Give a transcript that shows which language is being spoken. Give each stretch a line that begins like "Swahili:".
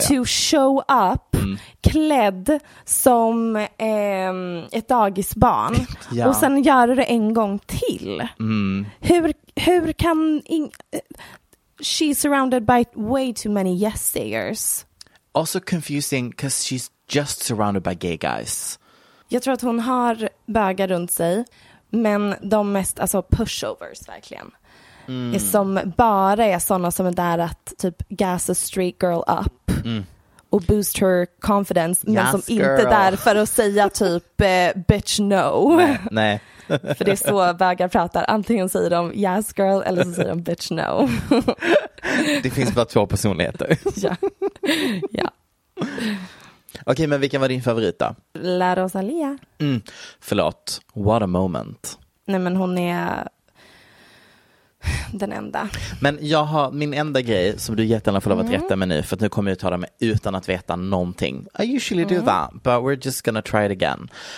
English: To show up
Swedish: klädd som ett dagisbarn. Ja. Och sen gör du det en gång till. Mm. Hur kan...
English: She's surrounded by way too many yes-sayers. Also confusing because she's just surrounded by gay guys.
Swedish: Jag tror att hon har bögar runt sig, men de mest, alltså pushovers verkligen, som bara är sådana som är där att typ
English: gas a street girl up
Swedish: och
English: boost her confidence,
Swedish: men
English: yes,
Swedish: som
English: girl.
Swedish: Inte där för att säga typ
English: bitch no.
Swedish: Nej. För det är så bögar pratar. Antingen säger de
English: yes girl
Swedish: eller så säger de
English: bitch no.
Swedish: Det finns bara två personligheter. Ja. Ja. Okej, men vilken var din favorit då? La Rosalía.
English: Mm. Förlåt. What a moment.
Swedish: Nej, men hon är den enda. Men jag har min enda grej som du jättegärna får lov att rätta mig nu. För att nu kommer jag att ta det med utan att veta någonting.
English: I usually do that, but we're just gonna try it again.